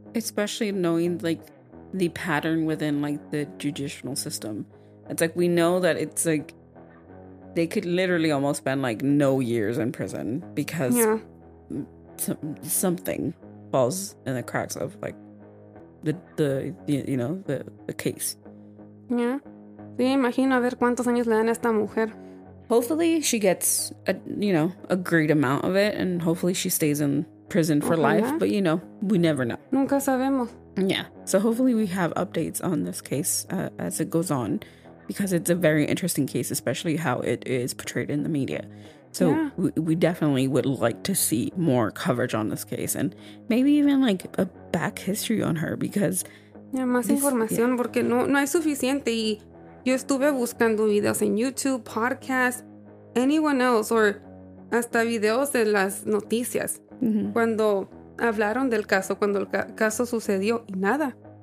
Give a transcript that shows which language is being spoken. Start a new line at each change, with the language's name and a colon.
English: Especially knowing, like, the pattern within, like, the judicial system. It's like, we know that it's, like, they could literally almost spend, like, no years in prison because something. falls in the cracks of like the case. Yeah.
Spanish: Sí, imagino a ver cuántos años le dan a esta mujer.
English: Hopefully she gets a great amount of it, and hopefully she stays in prison for life. But you know, we never know.
Spanish: Nunca sabemos.
English: Yeah. So hopefully we have updates on this case as it goes on, because it's a very interesting case, especially how it is portrayed in the media. So yeah, we definitely would like to see more coverage on this case, and maybe even like a back history on her, because
Spanish: yeah, más información, yeah, porque no hay suficiente. Y yo estuve buscando videos en YouTube, podcasts,
English: anyone else, or
Spanish: hasta videos de las noticias. Mm-hmm. Cuando hablaron del caso, cuando el caso sucedió, y nada.